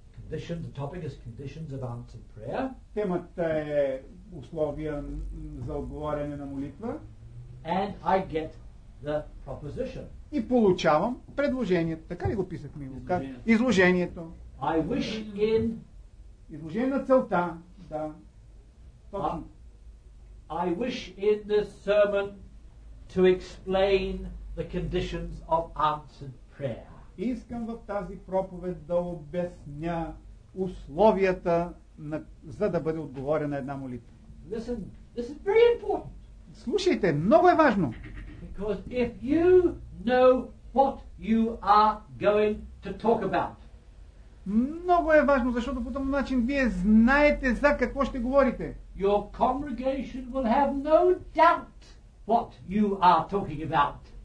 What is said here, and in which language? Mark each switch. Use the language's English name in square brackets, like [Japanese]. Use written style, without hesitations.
[English] The topic is conditions of answered prayer. [Bulgarian] Темата е условия за отговаряне на молитва. [English] And I get the proposition. [Bulgarian] И получавам предложението. Така ли го писах, мило? Изложението. [English] I wish in... [Bulgarian] Изложение на целта. Да. Точно. [English] I wish in this sermon to explain the conditions of answered prayer. [Bulgarian] Искам в тази проповед да обясня условията на, за да бъде отговорена една молитва. [English] Listen, this is very important. [Bulgarian] Слушайте, много е важно. [English] Because if you know what you are going to talk about. [Bulgarian] Много е важно, защото по този начин вие знаете за какво ще говорите. [English] Your congregation will have no doubt what you are talking about.